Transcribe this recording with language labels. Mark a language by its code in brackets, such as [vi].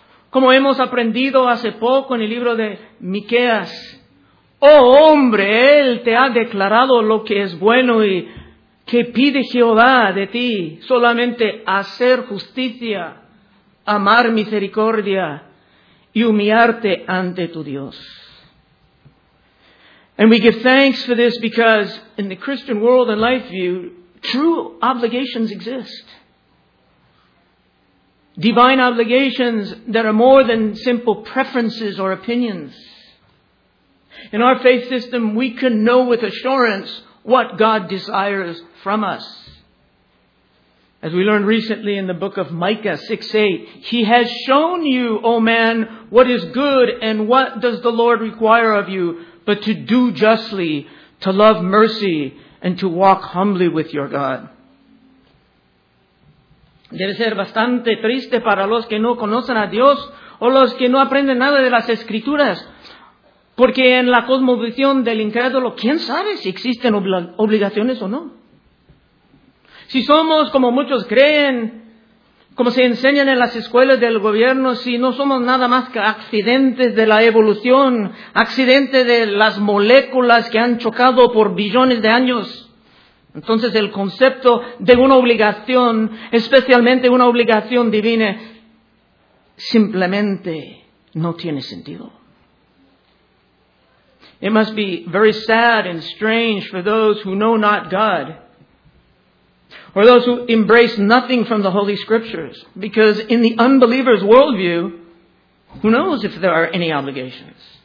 [es] Como hemos aprendido hace poco en el libro de Miqueas, ¡oh hombre, Él te ha declarado lo que es bueno y que pide Jehová de ti, solamente hacer justicia, amar misericordia, y humillarte ante tu Dios! [en] And we give thanks for this because in the Christian world and life view, true obligations exist. Divine obligations that are more than simple preferences or opinions. In our faith system, we can know with assurance what God desires from us. As we learned recently in the book of Micah 6:8, He has shown you, O man, what is good and what does the Lord require of you, but to do justly, to love mercy, and to walk humbly with your God. [es] Debe ser bastante triste para los que no conocen a Dios o los que no aprenden nada de las Escrituras. Porque en la cosmovisión del incrédulo, ¿quién sabe si existen obligaciones o no? Si somos como muchos creen, como se enseñan en las escuelas del gobierno, si no somos nada más que accidentes de la evolución, accidentes de las moléculas que han chocado por billones de años, entonces el concepto de una obligación, especialmente una obligación divina, simplemente no tiene sentido. [en] It must be very sad and strange for those who know not God, or those who embrace nothing from the Holy Scriptures, because in the unbeliever's worldview, who knows if there are any obligations?